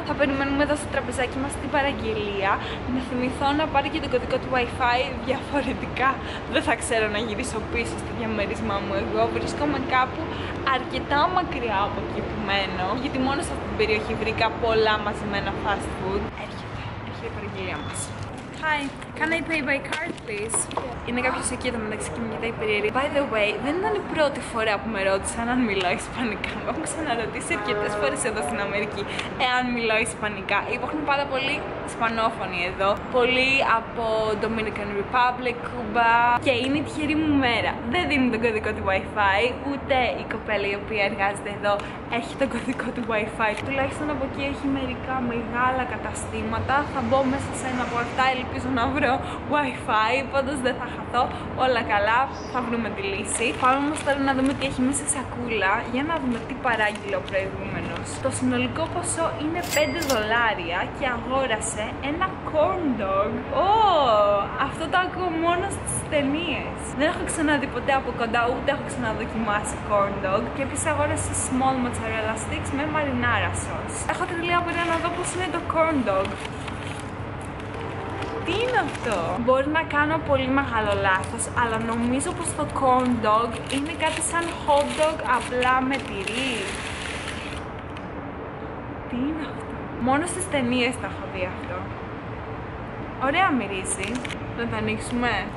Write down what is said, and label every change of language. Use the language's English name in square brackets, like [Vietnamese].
[Greek] Θα περιμένουμε εδώ στο τραπεζάκι μας την παραγγελία. Να θυμηθώ να πάρει και το κωδικό του WiFi. Διαφορετικά δεν θα ξέρω να γυρίσω πίσω στο διαμέρισμά μου. Εγώ βρίσκομαι κάπου αρκετά μακριά από εκεί που μένω, γιατί μόνο σε αυτή την περιοχή βρήκα πολλά μαζεμένα fast food. Έρχεται η παραγγελία μας. [English] Hi, can I pay by card please? Yeah. [Greek] Είναι κάποιος εκεί εδώ μεταξύ και μου κοιτάει περίεργη. [English] By the way, [Greek] δεν ήταν η πρώτη φορά που με ρώτησαν αν μιλάω ισπανικά. Με έχουν ξαναρωτήσει αρκετές φορές εδώ στην Αμερική εάν μιλάω ισπανικά. Υπάρχουν πάρα πολλοί ισπανόφωνοι εδώ. Πολλοί από Dominican Republic, Cuba. Και είναι η τυχερή μου μέρα. Δεν δίνει τον κωδικό του WiFi, ούτε η κοπέλα η οποία εργάζεται εδώ έχει τον κωδικό του WiFi. Τουλάχιστον από εκεί έχει μερικά μεγάλα καταστήματα. Θα μπω μέσα σε ένα από αυτά. Ελπίζω να βρω WiFi, πάντως δεν θα χαθώ. Όλα καλά, θα βρούμε τη λύση. Πάμε όμως τώρα να δούμε τι έχει μέσα σε σακούλα. Για να δούμε τι παράγγειλε ο προηγούμενος. Το συνολικό ποσό είναι 5 δολάρια και αγόρασε ένα corn dog. Αυτό το ακούω μόνο στις ταινίες. Δεν έχω ξαναδεί ποτέ από κοντά, ούτε έχω ξαναδοκιμάσει corn dog. Και επίσης αγόρασε small mozzarella sticks με marinara sauce. Έχω τρελή απορία να δω πώς είναι το corn dog. Τι είναι αυτό? Μπορεί να κάνω πολύ μεγάλο λάθος, αλλά νομίζω πως το corn dog είναι κάτι σαν hot dog απλά με τυρί. Τι είναι αυτό? Μόνο στις ταινίες τα έχω δει αυτό. Ωραία μυρίζει. Να το ανοίξουμε.